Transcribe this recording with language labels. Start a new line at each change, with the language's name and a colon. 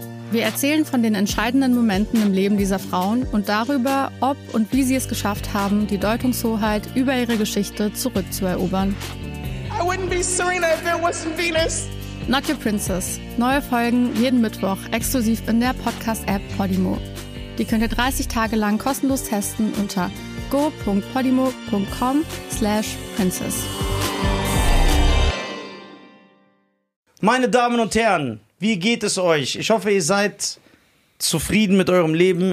German: Wir erzählen von den entscheidenden Momenten im Leben dieser Frauen und darüber, ob und wie sie es geschafft haben, die Deutungshoheit über ihre Geschichte zurückzuerobern.
English: I wouldn't be Serena if there wasn't Venus. Not Your Princess.
German: Neue Folgen jeden Mittwoch exklusiv in der Podcast-App Podimo. Die könnt ihr 30 Tage lang kostenlos testen unter go.podimo.com/princess. Meine Damen und Herren, wie geht es euch? Ich hoffe, ihr seid zufrieden mit eurem Leben.